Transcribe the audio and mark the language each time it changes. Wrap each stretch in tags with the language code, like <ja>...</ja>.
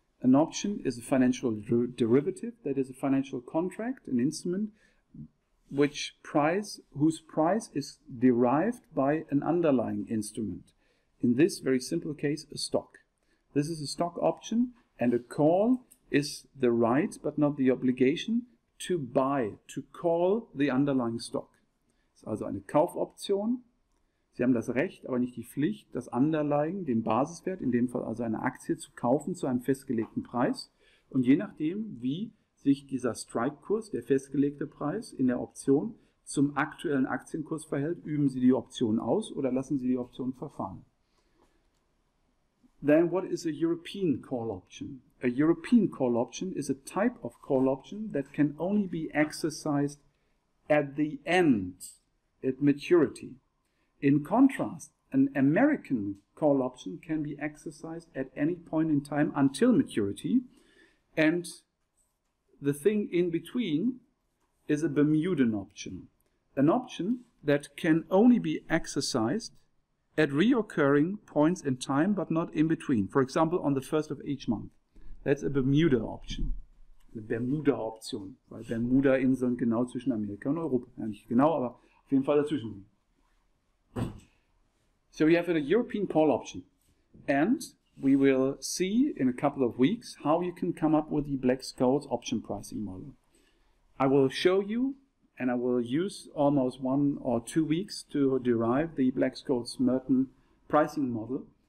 <en>An option is a financial derivative, that is a financial contract, an instrument, whose price is derived by an underlying instrument. In this very simple case, a stock. This is a stock option, and a call is the right, but not the obligation, to buy, to call the underlying stock.</en> <de>Es ist also eine Kaufoption. Sie haben das Recht, aber nicht die Pflicht, das Underlying, den Basiswert, in dem Fall also eine Aktie, zu kaufen zu einem festgelegten Preis. Und je nachdem, wie sich dieser Strike-Kurs, der festgelegte Preis in der Option, zum aktuellen Aktienkurs verhält, üben Sie die Option aus oder lassen Sie die Option verfallen.</de> <en>Then what is a European call option? A European call option is a type of call option that can only be exercised at the end, at maturity. In contrast, an American call option can be exercised at any point in time until maturity, and the thing in between is a Bermudan option, an option that can only be exercised at reoccurring points in time, but not in between. For example, on the 1st of each month. That's a Bermuda option.</en> <de>Eine Bermuda Option. Weil Bermuda Inseln genau zwischen Amerika und Europa. Ja, nicht genau, aber auf jeden Fall dazwischen.</de> <en>So we have a European call option. And we will see in a couple of weeks how you can come up with the Black-Scholes option pricing model. I will show you, and I will use almost 1 or 2 weeks to derive the Black-Scholes-Merton pricing model.</en>